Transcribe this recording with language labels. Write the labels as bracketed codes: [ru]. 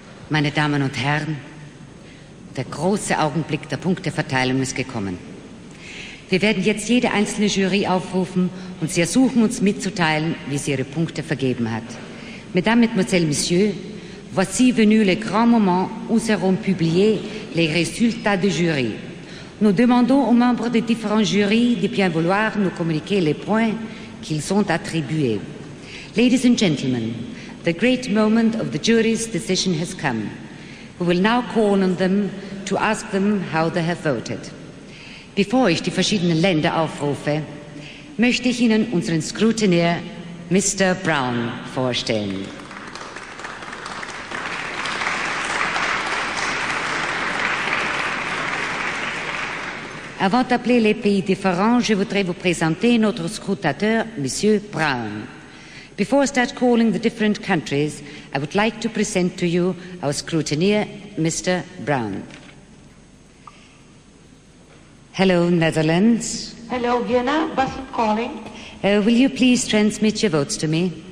[de] Meine Damen und Herren, der große Augenblick der Punkteverteilung ist gekommen. Wir werden jetzt jede einzelne Jury aufrufen und sie ersuchen, uns mitzuteilen, wie sie ihre Punkte vergeben hat. [fr] Mesdames, Mesdemoiselles, Messieurs, voici venu le grand moment où seront publiés les résultats du jury. Nous demandons aux membres des différents jurys de bien vouloir nous communiquer les points qu'ils ont attribués. [en] Ladies and gentlemen, the great moment of the jury's decision has come. We will now call on them to ask them how they have voted. [de] Bevor ich die verschiedenen Länder aufrufe, möchte ich Ihnen unseren Scrutineer Mr. Brown vorstellen. [fr] Avant d'appeler les pays différents, je voudrais vous présenter notre scrutateur, Monsieur Brown. [en] Before I start calling the different countries, I would like to present to you our scrutineer, Mr. Brown. Hello, Netherlands. Hello, Vienna. Bassett calling. Will you please transmit your votes to me?